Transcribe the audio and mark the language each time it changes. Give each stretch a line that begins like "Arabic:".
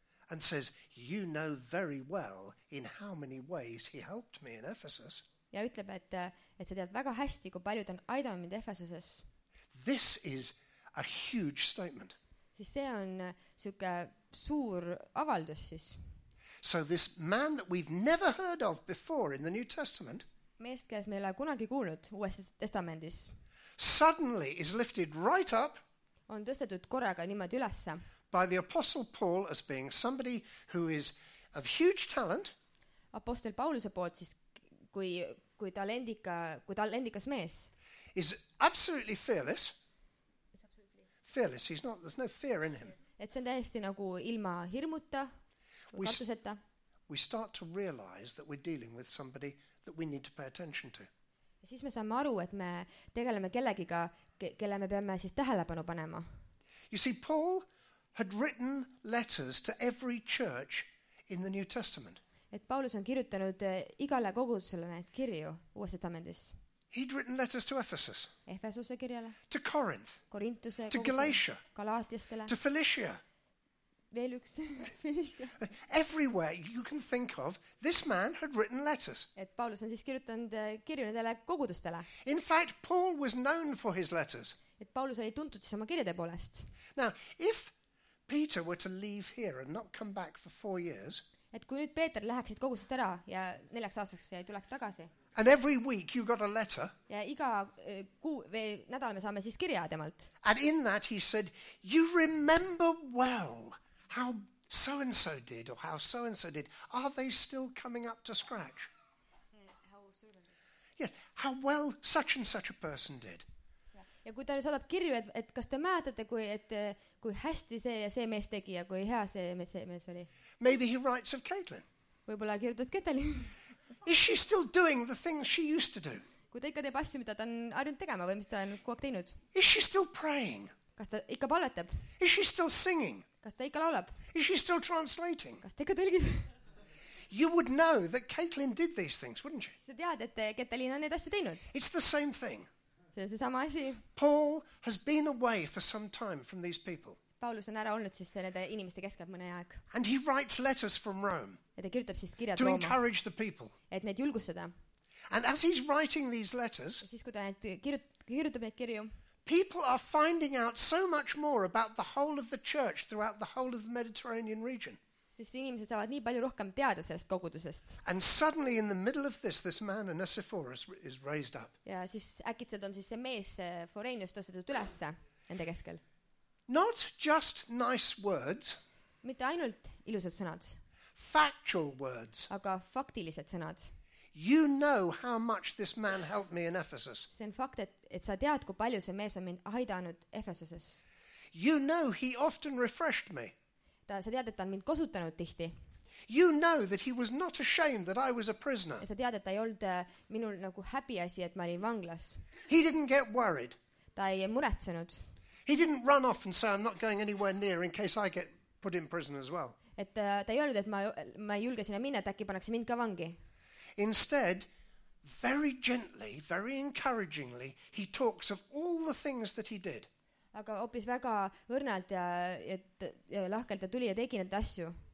English: and says, you know very well in how many ways he helped me in Ephesus.
Estonian: Ja ütleb, et, et sa tead väga hästi, kui paljud on aidanud mind Ephesuses.
English: This is a huge statement.
Estonian: Siis see on siuke suur avaldus siis.
English: So this man that we've never heard of before in the New Testament.
Estonian: Meest, kes me ei ole kunagi kuulnud Uues Testamentis.
English: Suddenly is lifted right up.
Estonian: On tõstetud korraga niimoodi ülesse.
English: By the Apostle Paul as being somebody who is of huge talent.
Estonian: Apostel Pauluse poolt siis kui kui talendika kui talendikas mees.
English: Is absolutely fearless. Fearless. He's not. There's no fear in him.
Estonian: Et see on täiesti nagu ilma hirmuta või katuseta.
English: We start to realize that we're dealing with somebody that we need to pay attention to.
Estonian: Ja siis me saame aru, et me tegeleme kellegiga, kelle me peame siis tähelepanu panema.
English: You see, Paul had written letters to every church in the New Testament.
Estonian: Et Paulus on kirjutanud igale kogudusele need kirju Uues Testamendis.
English: He'd written letters to Ephesus.
Estonian: Efesuse kirjale.
English: To Corinth.
Estonian: Korintuse
English: to Galatia.
Estonian: Galaatiastele.
English: To Philippia.
Estonian: Veel üks Philippia.
English: Everywhere you can think of, this man had written letters.
Estonian: Et Paulus on siis kirjutanud kirju nendele kogudustele.
English: In fact, Paul was known for his letters.
Estonian: Et Paulus oli tuntud siis oma kirjade poolest.
English: Now, if Peter were to leave here and not come back for 4 years.
Estonian: Et kui nüüd Peeter läheksid kogusest ära ja neljaks aastaks ja ei tuleks tagasi.
English: And every week you got a letter.
Estonian: Ja iga kuu või nädal me saame siis kirja temalt.
English: And in that he said, you remember well how so and so did or how so and so did. Are they still coming up to scratch? Yes, how well such and such a person did.
Estonian: Ja kui ta nüüd saadab kirju, et, et kas te mäetate, kui, et, kui hästi see ja see mees tegi ja kui hea see, see mees oli.
English: Maybe he writes of Caitlin.
Estonian: Võibolla kirjutad Ketelin.
English: Is she still doing the things she used to do?
Estonian: Kui ta ikka teeb asju, mida ta on arjunud tegema või mis ta on kogu aeg teinud?
English: Is she still praying?
Estonian: Kas ta ikka palvetab?
English: Is she still singing?
Estonian: Kas ta ikka laulab?
English: Is she still translating?
Estonian: Kas ta ikka tõlgib?
English: You would know that Caitlin did these things, wouldn't you?
Estonian: Sa tead, et Ketelin on need asju teinud.
English: It's the same thing.
Estonian: See on see sama asi.
English: Paul has been away for some time from these people.
Estonian: Paulus on ära olnud siis nende inimeste keskel mõne aeg.
English: And he writes letters from Rome.
Estonian: Ja ta kirjutab siis kirjad
English: Rooma. To encourage the people.
Estonian: Et neid julgustada.
English: And as he's writing these letters.
Estonian: Ja siis kui ta kirjutab neid kirju.
English: People are finding out so much more about the whole of the church throughout the whole of the Mediterranean region.
Estonian: Siis inimesed saavad nii palju rohkem teada sellest kogudusest.
English: And suddenly in the middle of this, this man Onesiphorus is raised up.
Estonian: Ja siis äkitselt on siis see mees Foreignus tõstetud ülesse enda keskel.
English: Not just nice words.
Estonian: Mitte ainult ilusad sõnad.
English: Factual words.
Estonian: Aga faktilised sõnad.
English: You know how much this man helped me in Ephesus.
Estonian: See on fakt, et, et sa tead, kui palju see mees on mind aidanud Ephesuses.
English: You know he often refreshed me.
Estonian: Ta, sa tead, et ta on mind kosutanud tihti.
English: You know that he was not ashamed that I was a prisoner.
Estonian: Ja sa tead, et ta ei olnud minul nagu häbi asi, et ma olin vanglas.
English: He didn't get worried.
Estonian: Ta ei muretsenud.
English: He didn't run off and say I'm not going anywhere near in case I get put in prison as well.
Estonian: Et ta ei olnud, et ma ei julge sinna minna, et äkki panaks mind ka vangi.
English: Instead, very gently, very encouragingly, he talks of all the things that he did.
Estonian: Aga hoopis väga õrnalt ja et ja lahkelt ta tuli ja tegi need asju.